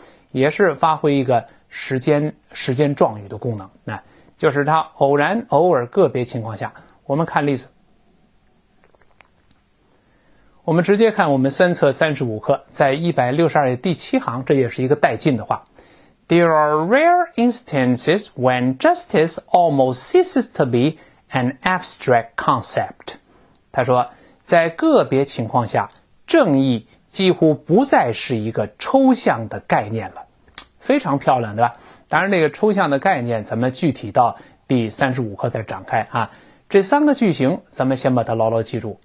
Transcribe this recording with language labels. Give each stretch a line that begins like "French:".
Chinese: 也是发挥一个时间状语的功能，就是它偶然偶尔个别情况下。我们看例子，我们直接看我们三册35课在162页第7行，这也是一个带劲的话。
English: There are rare instances when justice almost ceases to be an abstract concept.
Chinese: 他说，在个别情况下，正义几乎不再是一个抽象的概念了。非常漂亮，对吧？当然这个抽象的概念咱们具体到第35课再展开啊。这三个句型咱们先把它牢牢记住。